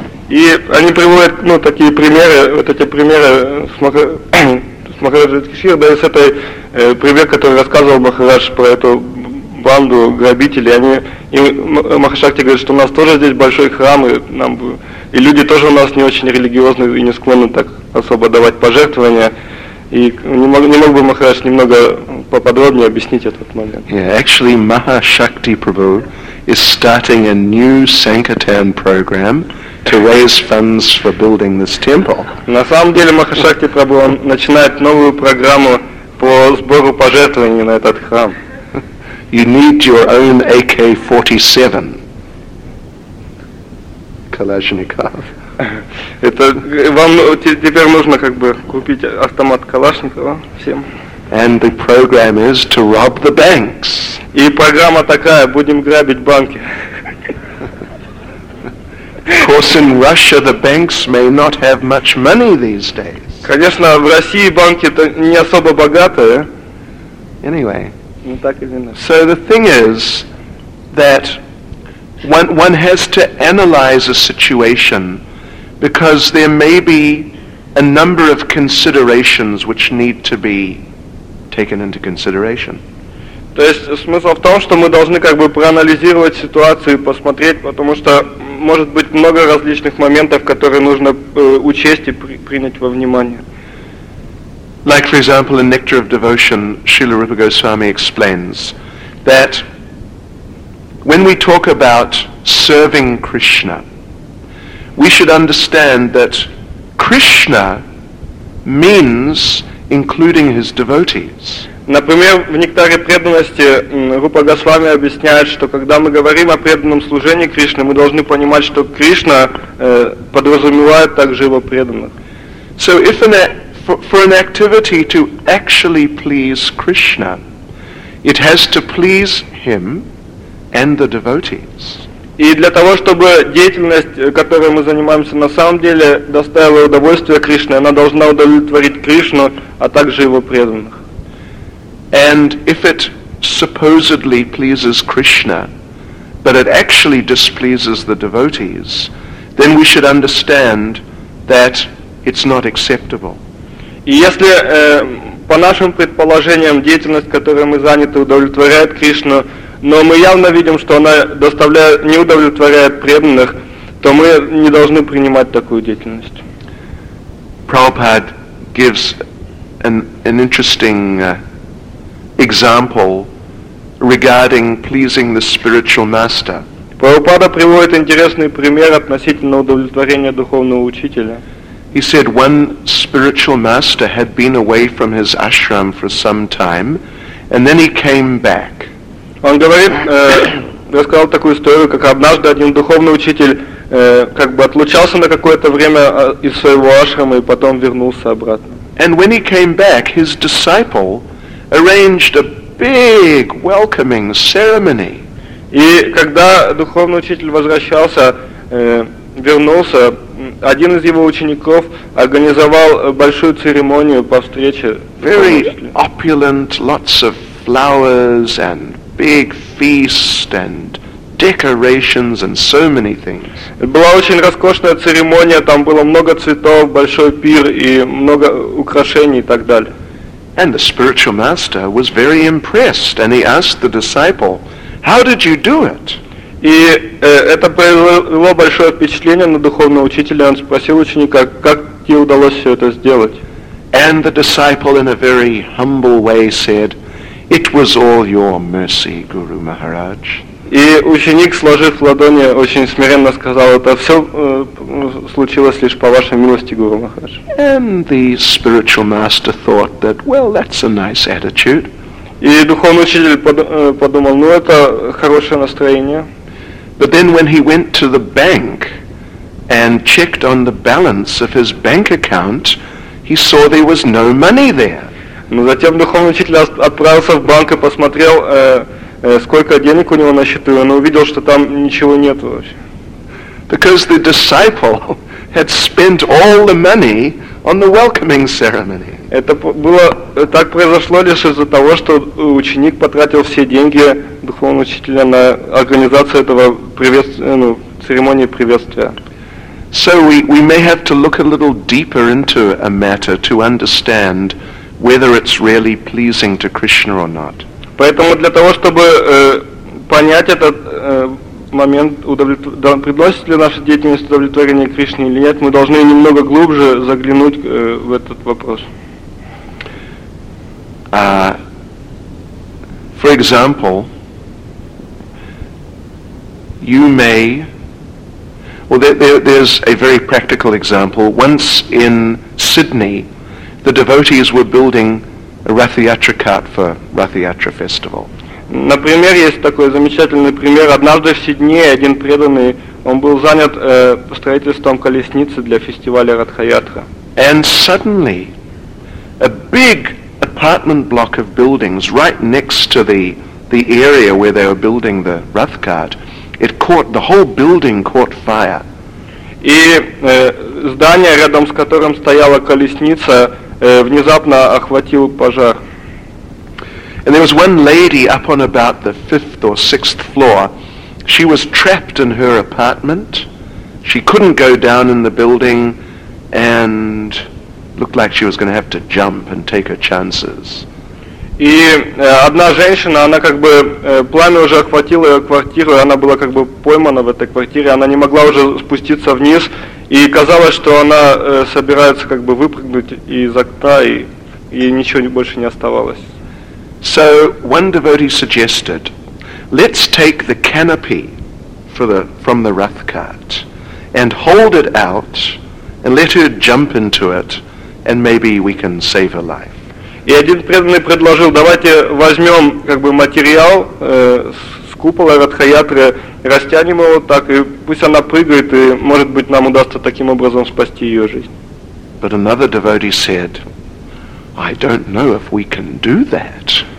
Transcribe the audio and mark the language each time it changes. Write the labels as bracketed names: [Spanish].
[Russian] И они приводят, такие примеры, вот эти примеры с Махараджи Кишир, да, и с этой пример, который рассказывал Махарадж про эту банду грабителей, они, и Махашакти говорит, что у нас тоже здесь большой храм, и люди тоже у нас не очень религиозны и не склонны так особо давать пожертвования, и не мог бы Махарадж немного поподробнее объяснить этот момент. [English] Yeah, actually, Mahashakti Prabhu is starting a new Sankirtan program to raise funds for building this temple. [Russian] На самом деле Махашакти Прабху начинает новую программу по сбору пожертвований на этот храм. [English] You need your own AK-47. [Russian] Калашников. Это вам теперь нужно как бы купить автомат Калашникова всем. [English] And the program is to rob the banks. [Russian] И программа такая, будем грабить банки. [English] Of course, in Russia, the banks may not have much money these days. [Russian] Конечно, в России банки-то не особо богатые. [English] Anyway. [Russian] Ну, так или иначе. [English] So the thing is that one has to analyze a situation because there may be a number of considerations which need to be taken into consideration. [Russian] То есть смысл в том, что мы должны как бы проанализировать ситуацию и посмотреть, потому что может быть много различных моментов, которые нужно учесть и принять во внимание. [English] Like, for example, in Nectar of Devotion, Srila Rupa Goswami explains that when we talk about serving Krishna, we should understand that Krishna means including his devotees. [Russian] Например, в Нектаре преданности Рупа Госвами объясняет, что когда мы говорим о преданном служении Кришне, мы должны понимать, что Кришна подразумевает также его преданных. [English] So if for an activity to actually please Krishna, it has to please him and the devotees. [Russian] И для того, чтобы деятельность, которой мы занимаемся на самом деле, доставила удовольствие Кришне, она должна удовлетворить Кришну, а также его преданных. [English] And if it supposedly pleases Krishna, but it actually displeases the devotees, then we should understand that it's not acceptable. [Russian] И если по нашим предположениям деятельность, которой мы заняты, удовлетворяет Кришну, но мы явно видим, что она доставляет, не удовлетворяет преданных, то мы не должны принимать такую деятельность. [English] Prabhupada gives an interesting example regarding pleasing the spiritual master. [Russian] Prabhupada приводит интересный пример относительно удовлетворения духовного учителя. [English] He said one spiritual master had been away from his ashram for some time, and then he came back. [Russian] Он говорит, рассказал такую историю, как однажды один духовный учитель как бы отлучался на какое-то время из своего ашрама и потом вернулся обратно. [English] And when he came back, his disciple arranged a big welcoming ceremony. [Russian] И когда духовный учитель возвращался, вернулся, один из его учеников организовал большую церемонию по встрече. [English] Very opulent, lots of flowers and big feast and decorations and so many things. [Russian] Была очень роскошная церемония, там было много цветов, большой пир и много украшений и так далее. [English] And the spiritual master was very impressed, and he asked the disciple, "How did you do it?" [Russian] И это произвело большое впечатление на духовного учителя. Он спросил ученика, как тебе удалось все это сделать. [English] And the disciple, in a very humble way, said, "It was all your mercy, Guru Maharaj." [Russian] И ученик, сложив ладони, очень смиренно сказал, это все случилось лишь по вашей милости, Гуру Махарадж. [English] And the spiritual master thought that, well, that's a nice attitude. [Russian] И духовный учитель подумал, ну это хорошее настроение. [English] But then when he went to the bank and checked on the balance of his bank account, he saw there was no money there. [Russian] Но затем духовный учитель отправился в банк и посмотрел, сколько денег у него на счету, он увидел, что там ничего нет вообще. [English] Because the disciple had spent all the money on the welcoming ceremony. [Russian] Это было так произошло лишь из-за того, что ученик потратил все деньги духовного учителя на организацию этого церемонии приветствия. [English] So we may have to look a little deeper into a matter to understand whether it's really pleasing to Krishna or not. [Russian] Поэтому для того, чтобы понять этот момент, приносит ли наша деятельность удовлетворение Кришне или нет, мы должны немного глубже заглянуть в этот вопрос. [English] For example, you may... Well, there's a very practical example. Once in Sydney, the devotees were building a Rathyatra cart for Rathyatra festival. [Russian] Например, есть такой замечательный пример. Однажды в Сиднее один преданный, он был занят строительством колесницы для фестиваля Радхаятра. [English] And suddenly, a big apartment block of buildings right next to the area where they were building the Rath cart, it caught, the whole building caught fire. [Russian] И здание, рядом с которым стояла колесница, внезапно охватил пожар. [English] And there was one lady up on about the fifth or sixth floor. She was trapped in her apartment. She couldn't go down in the building and looked like she was going to have to jump and take her chances. [Russian] И одна женщина, она как бы, пламя уже охватило ее квартиру, и она была как бы поймана в этой квартире, она не могла уже спуститься вниз, и казалось, что она собирается как бы выпрыгнуть из окна, и ничего больше не оставалось. [English] So one devotee suggested, let's take the canopy from the rough cart and hold it out and let her jump into it and maybe we can save her life. [Russian] И один преданный предложил, давайте возьмем как бы материал с купола Радхаятры, растянем его так, и пусть она прыгает, и может быть нам удастся таким образом спасти ее жизнь. [English] But another devotee said, I don't know if we can do that.